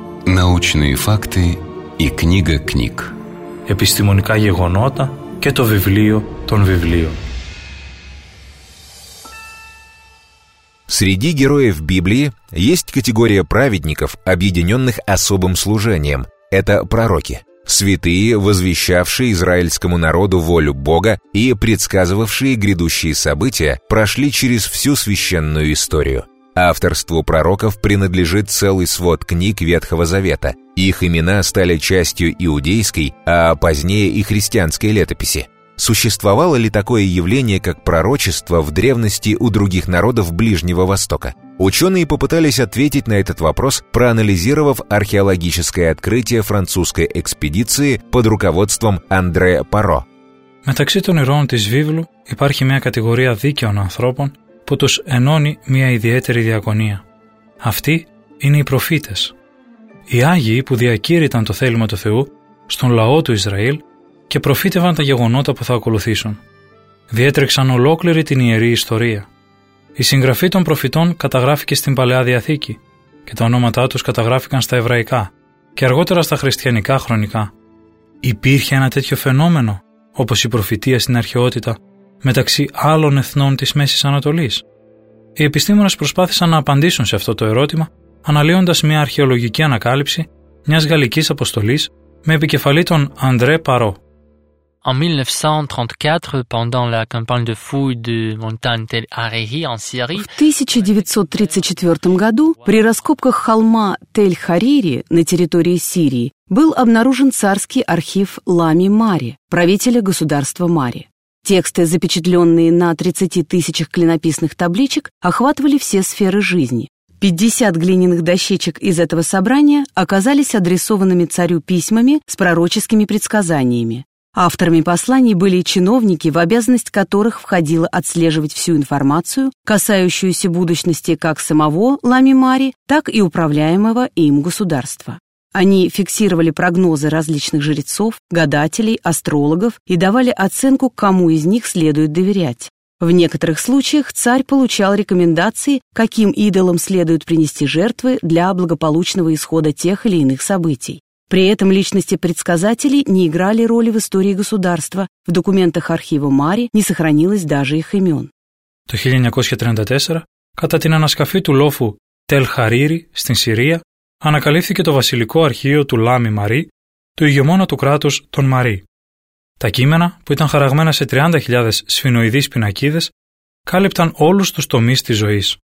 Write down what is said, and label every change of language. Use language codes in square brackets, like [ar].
[ru] Научные факты и книга книг. [el] Επιστημονικά γεγονότα και το βιβλίο των βιβλίων. [ru] Среди героев Библии есть категория праведников, объединенных особым служением. Это пророки. Святые, возвещавшие израильскому народу волю Бога и предсказывавшие грядущие события, прошли через всю священную историю. Авторству пророков принадлежит целый свод книг Ветхого Завета. Их имена стали частью иудейской, а позднее и христианской летописи. Существовало ли такое явление, как пророчество, в древности у других народов Ближнего Востока? Ученые попытались ответить на этот вопрос, проанализировав археологическое открытие французской экспедиции под руководством Андре Паро. [el] Μεταξύ των ηρώων της Βίβλου υπάρχει μια κατηγορία δίκαιων ανθρώπων που τους ενώνει μια ιδιαίτερη διακονία. Αυτοί είναι οι προφήτες. Οι Άγιοι που διακήρυταν το θέλημα του Θεού στον λαό του Ισραήλ και προφήτευαν τα γεγονότα που θα ακολουθήσουν. Διέτρεξαν ολόκληρη την ιερή ιστορία. Η συγγραφή των προφητών καταγράφηκε στην Παλαιά Διαθήκη και τα ονόματά τους καταγράφηκαν στα εβραϊκά και αργότερα στα χριστιανικά χρονικά. Υπήρχε ένα τέτοιο φαινόμενο, όπως η προφητεία στην αρχαιότητα, μεταξύ άλλων εθνών της Μέσης Ανατολής? Οι επιστήμονες προσπάθησαν να απαντήσουν σε αυτό το ερώτημα, αναλύοντας μια αρχαιολογική ανακάλυψη μιας γαλλικής αποστολής με επικεφαλή τον Αντρέ Παρό. [fr] En 1934, pendant la campagne de fouilles de montagne Tel Hariri en Syrie, [ru] в 1934 году при раскопках холма Тель-Харири на территории Сирии был обнаружен царский архив Лами Мари, правителя государства Мари. Тексты, запечатленные на 30 тысячах клинописных табличек, охватывали все сферы жизни. 50 глиняных дощечек из этого собрания оказались адресованными царю письмами с пророческими предсказаниями. Авторами посланий были чиновники, в обязанность которых входило отслеживать всю информацию, касающуюся будущности как самого Лами-Мари, так и управляемого им государства. Они фиксировали прогнозы различных жрецов, гадателей, астрологов и давали оценку, кому из них следует доверять. В некоторых случаях царь получал рекомендации, каким идолам следует принести жертвы для благополучного исхода тех или иных событий. При этом личности предсказателей не играли роли в истории государства. В документах архива Мари не сохранилось даже их имен. [el] Το 1934, κατά την ανασκαφή του λόφου Τελ-Χαρίρι στην Συρία, ανακαλύφθηκε το βασιλικό αρχείο του Λάμι Μαρί, του ηγεμόνα του κράτους των Μαρί. Τα κείμενα, που ήταν χαραγμένα σε 30.000 σφινοειδείς πινακίδες, κάλυπταν όλους τους τομείς της ζωής.